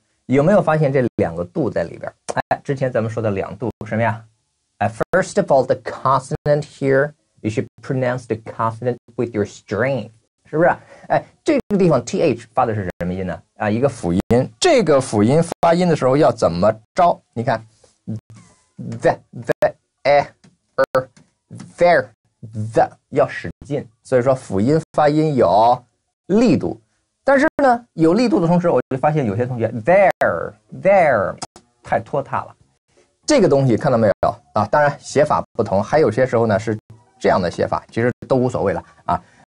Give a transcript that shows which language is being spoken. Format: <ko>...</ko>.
<zh>有没有发现这两个度在里边？哎，之前咱们说的两度什么呀</zh> <en>？First of all, the consonant here, you should pronounce the consonant with your strength.</en> <zh>是不是？哎，这个地方 th 发的是什么音呢？啊，一个辅音。这个辅音发音的时候要怎么着？你看 ，the the a er there the 要使劲。所以说辅音发音有力度，但是呢，有力度的同时，我就发现有些同学 there 太拖沓了。这个东西看到没有啊？当然写法不同，还有些时候呢是这样的写法，其实都无所谓了啊。</zh>